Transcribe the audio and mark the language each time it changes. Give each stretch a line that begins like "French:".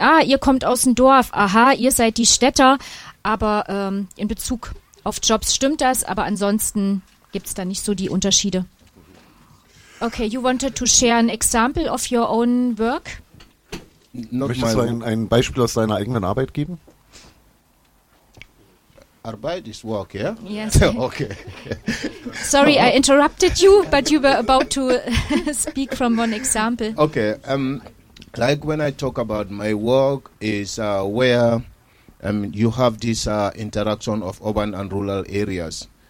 German: Ah, ihr kommt aus dem Dorf. Aha, ihr seid die Städter. Aber in Bezug auf Jobs stimmt das. Aber ansonsten gibt es da nicht so die Unterschiede.
English: Okay, you wanted to share an example of your own work?
German: Möchtest du ein Beispiel aus deiner eigenen Arbeit geben? Arbeit ist
English: work, yeah? Yes. Okay. Sorry, I interrupted you, but you were about to speak from one example. Okay, like when I talk about my work is where you have this interaction of urban and rural areas.